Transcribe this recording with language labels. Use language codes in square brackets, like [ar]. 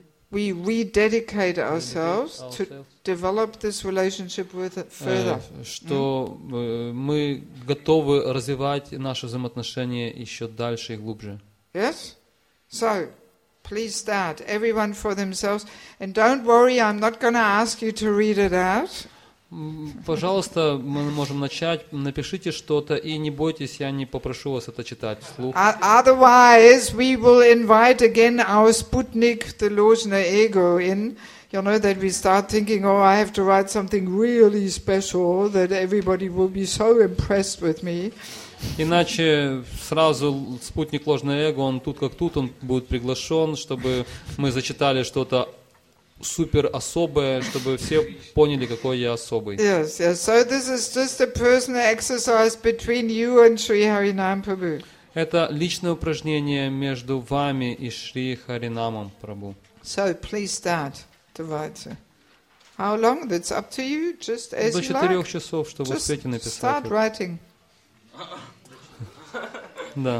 [en] We rededicate ourselves to develop this relationship with further. [ru] Что мы готовы развивать наши взаимоотношения еще дальше и глубже. [en] Yes. So, please start. Everyone for themselves, and don't worry. I'm not going to ask you to read it out. [ru] Пожалуйста, мы можем начать. Напишите что-то и не бойтесь, я не попрошу вас это читать вслух. [en] Otherwise, we will invite again our sputnik, the Lojna ego, in. You know, that we start thinking, oh, I have to write something really special that everybody will be so impressed with me. [ru] Иначе сразу спутник Ложное эго, он тут как тут, он будет приглашен, чтобы мы зачитали что-то супер особое, чтобы все поняли, какой я особый. [en] Yes, yes. So this is just a personal exercise between you and Sri Harinam Prabhu. [ru] Это личное упражнение между вами и Шри Харинамом Прабху. [en] So please start, Devotee. How long? That's up to you. Just as [ru] До четырех часов, чтобы успеть написать. [en] Start writing. [ru] Да.